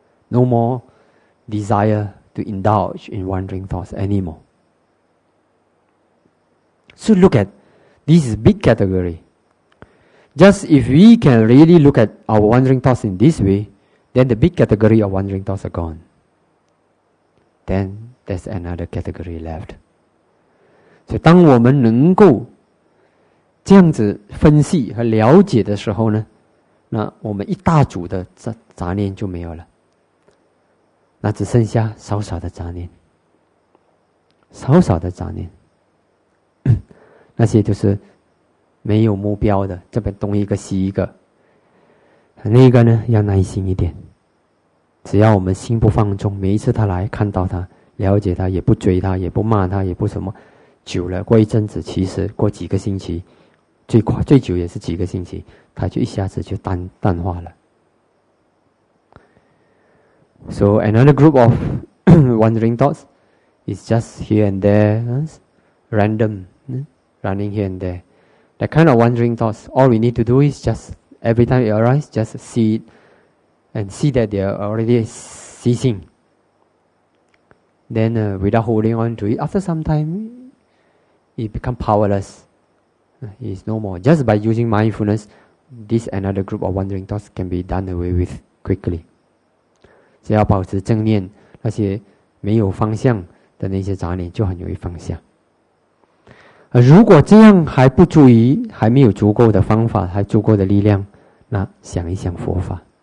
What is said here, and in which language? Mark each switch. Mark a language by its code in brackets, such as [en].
[en] No more desire to indulge in wandering thoughts anymore. So look at, this is a big category. Just if we can really look at our wandering thoughts in this way, then the big category of wandering thoughts are gone. Then there's another category left. [zh] So 当我们能够这样子分析和了解的时候呢, 那我们一大组的杂念就没有了, 那只剩下少少的杂念, 少少的杂念, 那些就是没有目标的, 这边东一个西一个, 那个呢, 要耐心一点, 只要我们心不放纵, 每一次他来, 看到他, 了解他, 也不追他, 也不骂他, 也不什么, 久了, 过一阵子, 其实, 过几个星期, 最久也是几个星期, 它就一下子就淡化了。 [en] So another group of wandering thoughts is just here and there, random, running here and there. That kind of wandering thoughts, all we need to do is just, every time it arises, just see it, and see that they are already ceasing. Then without holding on to it, after some time, it becomes powerless. It's no more. Just by using mindfulness, this another group of wandering thoughts can be done away with quickly. [zh] 只要保持正念, 那些没有方向的那些杂念就很容易放下。如果这样还不足以, 还没有足够的方法, 还足够的力量, 那想一想佛法。